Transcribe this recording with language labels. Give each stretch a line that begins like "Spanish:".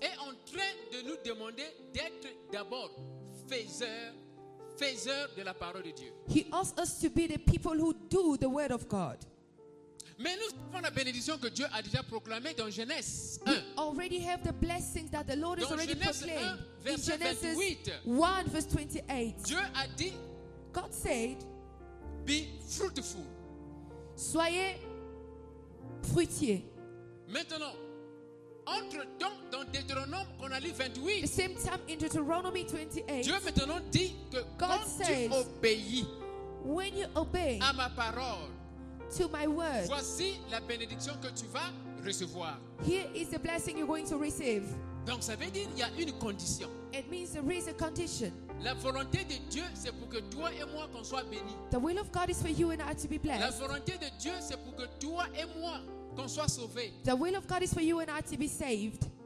French: est en train de nous demander d'être d'abord faiseur de la parole de Dieu.
English: He asked us to be the people who do the word of God.
French: Mais nous avons la bénédiction que Dieu a déjà proclamée dans Genèse 1.
English: We already have the blessings that the Lord has already proclaimed. In Genesis 1 verse 28.
French: Dieu a dit,
English: God said, be fruitful.
French: Soyez fruitiers. Maintenant, entre donc dans Deutéronome qu'on a lu 28.
English: The same time in Deuteronomy 28.
French: Dieu maintenant dit que
English: God
French: quand
English: says,
French: tu obéis,
English: when you obey
French: à ma parole,
English: to my word,
French: voici la bénédiction que tu vas recevoir.
English: Here is the blessing you're going to receive.
French: Donc ça veut dire il y a une condition.
English: It means there is a condition.
French: La volonté de Dieu c'est pour que toi et moi qu'on soit bénis.
English: The will of God is for you and I to be blessed.
French: La volonté de Dieu c'est pour que toi et moi qu'on soit sauvé.
English: The will of God is for you and I to be saved.